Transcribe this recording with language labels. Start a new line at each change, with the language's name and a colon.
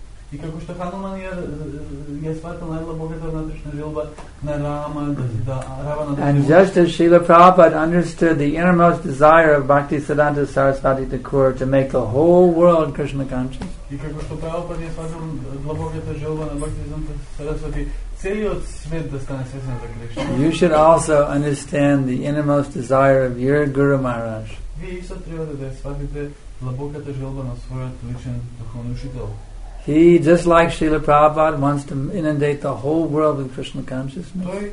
Macedonian: и како што Хануман ја сватил најлабоката внатрешна желба на Рама, да Равана да...
English: And just as Srila Prabhupada understood the innermost desire of Bhaktisiddhanta Sarasvati Thakur to make the whole world Krishna conscious.
Macedonian: И како што Прабхупада ја сватил најлабоката желба на Бхактисиддханта Сарасвати целиот свет да стане свесен за Кришна.
English: You should also understand the innermost desire of your Guru Maharaj.
Macedonian: Вие исто треба да сватите најлабоката желба на својот личен духовен учител.
English: He, just like Srila Prabhupada, wants to inundate the whole world with Krishna consciousness.